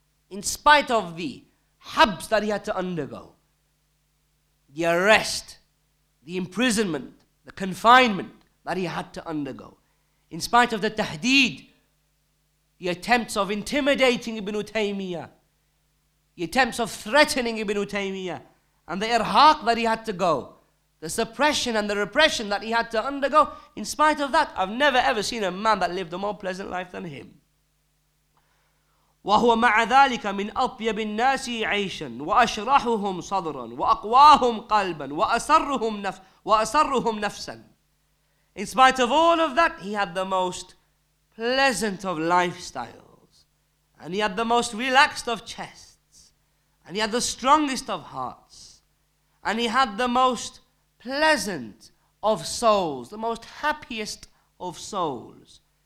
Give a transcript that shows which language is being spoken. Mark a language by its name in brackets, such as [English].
[English] In spite of the habs that he had to undergo, the arrest, the imprisonment, the confinement that he had to undergo, in spite of the tahdeed, the attempts of intimidating Ibn Taymiyyah, the attempts of threatening Ibn Taymiyyah, and the irhaq that he had to go, the suppression and the repression that he had to undergo, in spite of that, I've never ever seen a man that lived a more pleasant life than him. [Arabic] وهو مع ذلك من أطيب الناس عيشا وأشرحهم صدرا وأقواهم قلبا وأسرهم نفسا. [English] In spite of all of that, he had the most pleasant of lifestyles, and he had the most relaxed of chests, and he had the strongest of hearts, and he had the most pleasant of souls, the most happiest of souls.